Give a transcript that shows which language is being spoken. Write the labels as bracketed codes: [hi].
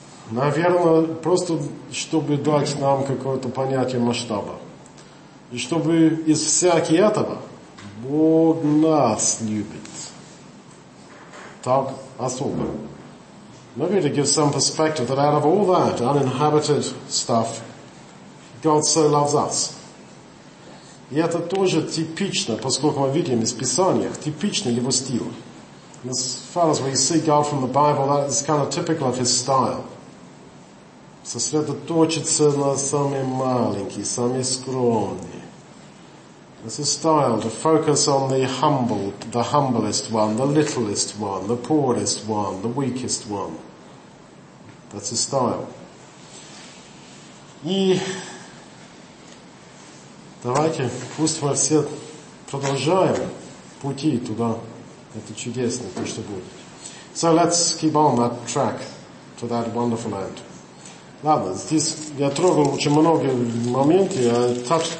[ru] Наверное, просто чтобы дать нам какое-то понятие масштаба. И чтобы из всяких этого Бог нас любит. Так особо. [en] Maybe to give some perspective that out of all that uninhabited stuff, God so loves us. [ru] И это тоже типично, поскольку мы видим из Писания, типичный его стиль. [en] And as far as we see God from the Bible, that is kind of typical of his style. [ru] Сосредоточиться на самые маленькие, самые скромные. [en] It's a style to focus on the humble, the humblest one, the littlest one, the poorest one, the weakest one. That's a style. [ru] И давайте, пусть мы все продолжаем пути туда. Это чудесно, то, что будет. [en] So let's keep on that track to that wonderful end. [ru] Ладно, здесь я трогал очень многие моменты. [en] I touched quite a few difficult points here. In this chapter,